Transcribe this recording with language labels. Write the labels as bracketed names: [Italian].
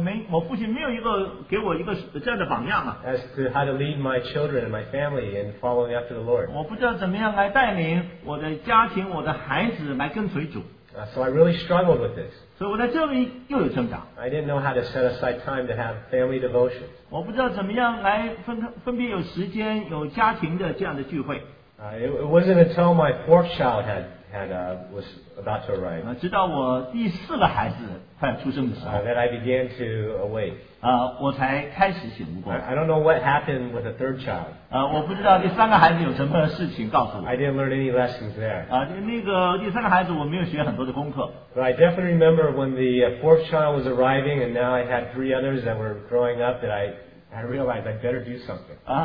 [Chinese] 我说我在不信主的家庭长大，我没有一个给我一个这样的榜样啊。 [English] As to how to lead my children and my family in following after the Lord. [Chinese] 我不知道怎么样来带领我的家庭、我的孩子来跟随主。 [English] So I really struggled with this. [Chinese] 所以我在这里又有挣扎。 [English] I didn't know how to set aside time to have family devotion. [Chinese] 我不知道怎么样来分辨有时间有家庭的这样的聚会。 [English] It wasn't until my fourth child was about to arrive. [Chinese] 直到我第四个孩子快出生的时候, [English] that I began to awake. [Chinese] 我才开始醒悟过来。 [English] I don't know what happened with the third child. [Chinese] 我不知道第三个孩子有什么事情告诉我。 [English] I didn't learn any lessons there. [Chinese] 那个第三个孩子我没有学很多的功课。 [English] But I definitely remember when the fourth child was arriving, and now I had three others that were growing up, that I realized I'd better do something.